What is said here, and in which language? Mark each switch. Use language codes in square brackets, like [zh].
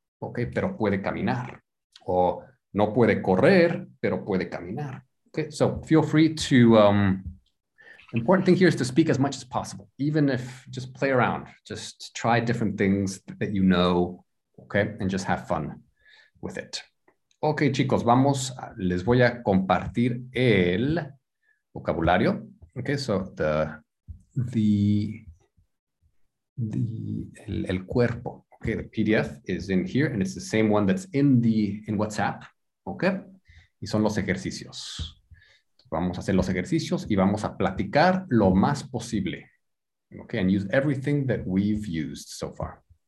[es] Okay, pero puede caminar, o no puede correr, pero puede caminar. [en] Okay, so feel free to. Important thing here is to speak as much as possible, even if just play around, just try different things that you know, okay, and just have fun with it. [es] Okay, chicos, les voy a compartir el vocabulario. [en] Okay, so el cuerpo. Okay, the PDF is in here, and it's the same one that's in WhatsApp. [es] Okay, y son los ejercicios. Vamos a hacer los ejercicios y vamos a platicar lo más posible. [en] Okay, and use everything that we've used so far.